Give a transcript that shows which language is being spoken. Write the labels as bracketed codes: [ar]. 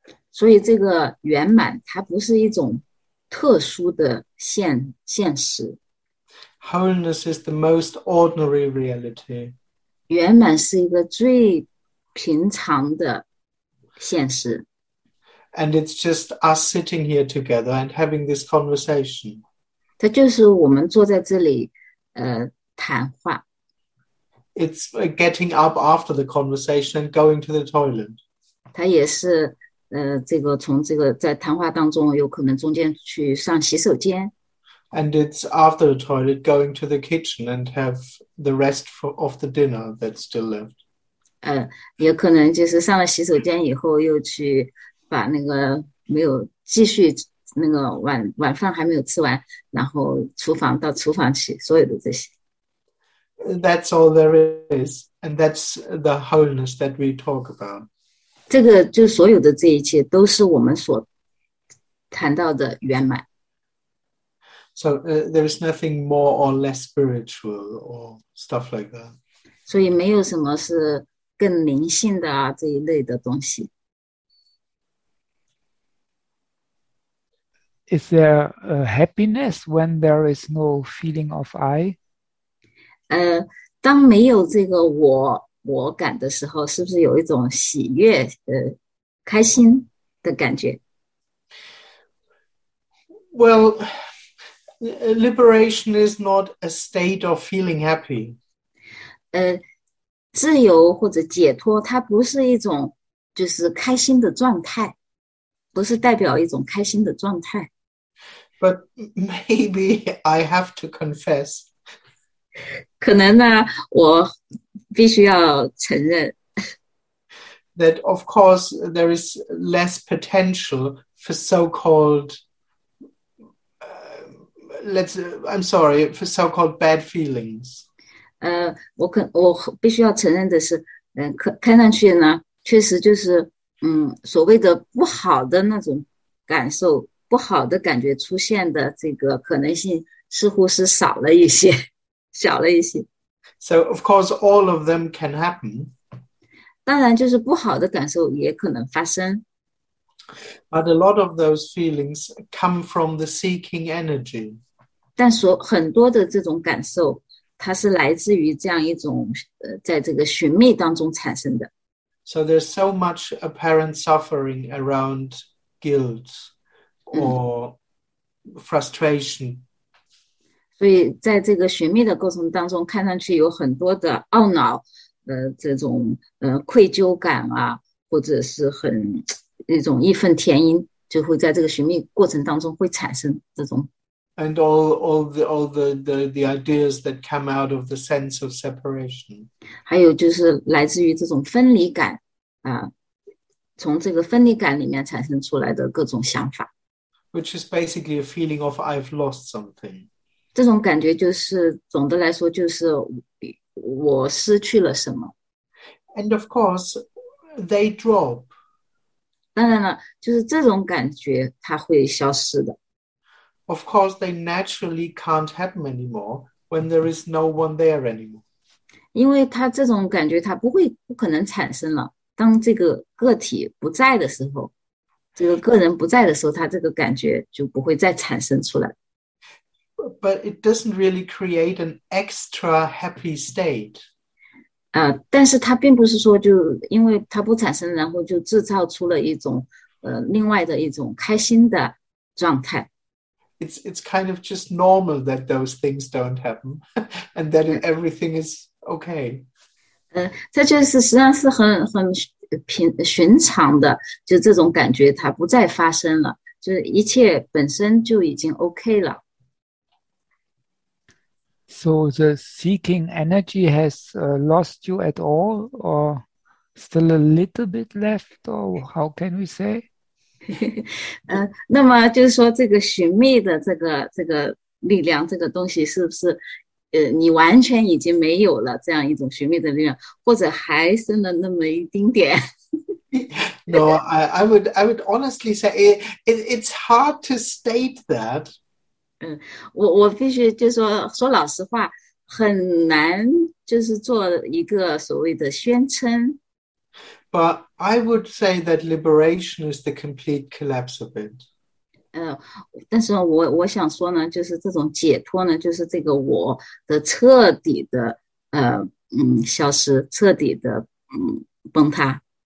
[zh] 所以这个圆满它不是一种特殊的现实。 [en] Wholeness is the most ordinary reality. [zh] 圆满是一个最平常的现实。 [en] And it's just us sitting here together and having this conversation. [zh] 它就是我们坐在这里谈话。 [en] It's getting up after the conversation and going to the toilet. [zh] 他也是这个从这个在谈话当中有可能中间去上洗手间。 [en] And it's after the toilet going to the kitchen and have the rest of the dinner that's still left. [zh] 也可能就是上了洗手间以后又去把那个没有继续那个晚饭还没有吃完，然后到厨房去，所有的这些。 [en] That's all there is, and that's the wholeness that we talk about. [zh] 这个就所有的这一切都是我们所谈到的圆满。 [en] So there is nothing more or less spiritual or stuff like that. [zh] 所以没有什么是更灵性的啊，这一类的东西。 [en] Is there a happiness when there is no feeling of I? [zh] 当没有这个我感的时候，是不是有一种喜悦开心的感觉？ [en] Well, liberation is not a state of feeling happy. [zh] 自由或者解脱，它不是一种就是开心的状态，不是代表一种开心的状态。 [en] But maybe I have to confess. [zh] 可能呢，我必须要承认。 [en] That of course there is less potential for so-called, so-called bad feelings. [zh] 我必须要承认的是，看上去呢，确实就是所谓的不好的那种感受。不好的感觉出现的这个可能性似乎是少了一些，小了一些。 [en] So of course, all of them can happen. [zh] 当然，就是不好的感受也可能发生。 [en] But a lot of those feelings come from the seeking energy. [zh] 但所很多的这种感受，它是来自于这样一种在这个寻觅当中产生的。 [en] So there's so much apparent suffering around guilt or frustration. [zh] 所以在这个寻觅的过程当中，看上去有很多的懊恼，这种愧疚感啊，或者是很一种义愤填膺，就会在这个寻觅过程当中会产生这种。 [en] And all the ideas that come out of the sense of separation. [zh] 还有就是来自于这种分离感啊，从这个分离感里面产生出来的各种想法。 [en] Which is basically a feeling of I've lost something. [zh] 这种感觉就是总的来说就是我失去了什么。 [en] And of course, they drop. [zh] 当然了，就是这种感觉它会消失的。 [en] Of course, they naturally can't happen anymore when there is no one there anymore. [zh] 因为他这种感觉，他不可能产生了。当这个个体不在的时候，这个个人不在的时候，他这个感觉就不会再产生出来。 [en] But it doesn't really create an extra happy state. [zh] 但是他并不是说就因为他不产生，然后就制造出了一种另外的一种开心的状态。 [en] It's kind of just normal that those things don't happen and that everything is okay. [zh] 这就是实际上是很寻常的，就这种感觉它不再发生了，就一切本身就已经 OK 了。 [en] So the seeking energy has lost you at all or still a little bit left or how can we say? [zh] 那么就是说这个寻觅的这个力量，这个东西是不是你完全已经没有了这样一种寻觅的力量，或者还剩了那么一丁点 [en] ？No, I would honestly say it's hard to state that. [zh] 我必须就是说老实话，很难就是做一个所谓的宣称。 [en] But I would say that liberation is the complete collapse of it. [zh] 但是我想说呢，就是这种解脱呢，就是这个我的彻底的消失，彻底的崩塌。